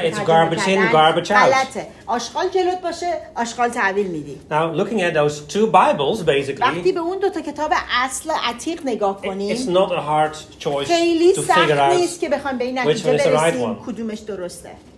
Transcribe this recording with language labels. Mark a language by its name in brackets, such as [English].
[English] Yeah, it's garbage in, garbage out. [Persian] آشغال جلوت باشه، آشغال تعویل میدی. [English] Now, looking at those two Bibles, basically. [Persian] وقتی به اون دو تا کتاب اصل عتیق نگاه کنیم. [English] It's not a hard choice to figure out [Persian] که بخوام به این نتیجه برسیم کدومش درسته.